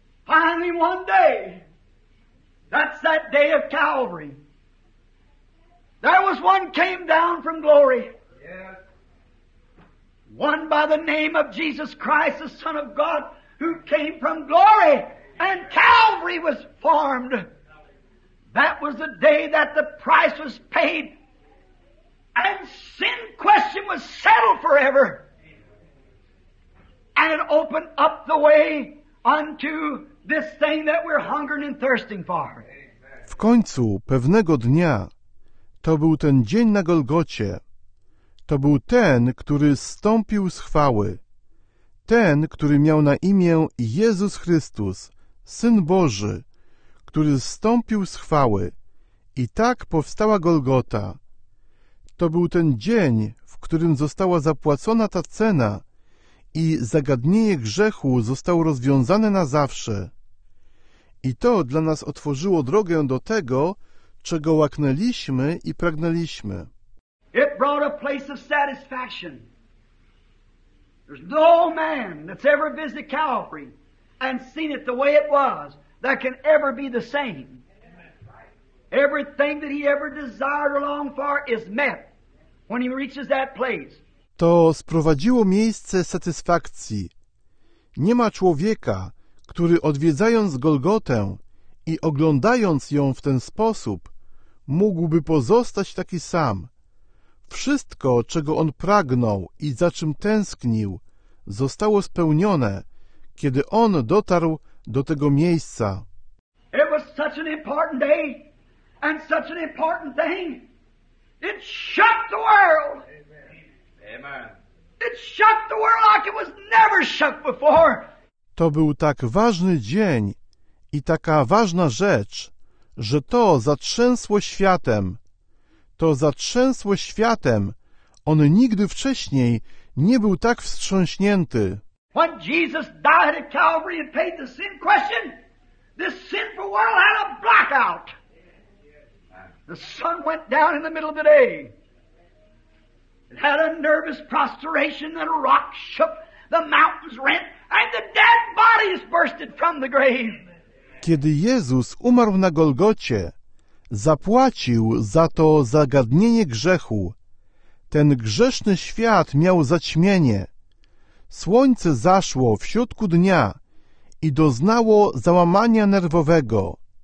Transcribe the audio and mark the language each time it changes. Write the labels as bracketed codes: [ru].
[en] Finally one day, that's that day of Calvary. There was one came down from glory. Yes. One by the name of Jesus Christ, the Son of God, who came from glory. And Calvary was formed. That was the day that the price was paid. And sin question was settled forever. And it opened up the way unto this thing that we're hungering and thirsting for. [pl] W końcu pewnego dnia, to był ten dzień na Golgocie. To był ten, który zstąpił z chwały. Ten, który miał na imię Jezus Chrystus, Syn Boży, który zstąpił z chwały. I tak powstała Golgota. To był ten dzień, w którym została zapłacona ta cena i zagadnienie grzechu zostało rozwiązane na zawsze. I to dla nas otworzyło drogę do tego, czego łaknęliśmy i pragnęliśmy. [en] It brought a place of satisfaction. There's no man that's ever visited Calvary and seen it the way it was that can ever be the same. Everything that he ever desired or longed for is met when he reaches that place. [pl] To sprowadziło miejsce satysfakcji. Nie ma człowieka, który odwiedzając Golgotę i oglądając ją w ten sposób, mógłby pozostać taki sam. Wszystko, czego on pragnął i za czym tęsknił, zostało spełnione, kiedy on dotarł do tego miejsca. [en] It was such an important day and such an important thing. It shut the world. Amen. It shut the world like it was never shut before. [pl] To był tak ważny dzień i taka ważna rzecz, że to zatrzęsło światem. To zatrzęsło światem. On nigdy wcześniej nie był tak wstrząśnięty. [en] When Jesus died at Calvary and paid the sin question, this sinful world had a blackout. The sun went down in the middle of the day. It had a nervous prostration, and a rock shook, the mountains rent, and the dead bodies bursted from the grave. [pl] Kiedy Jezus umarł na Golgocie, zapłacił za to zagadnienie grzechu. Ten grzeszny świat miał zaćmienie. Słońce zaszło w środku dnia i doznało załamania nerwowego.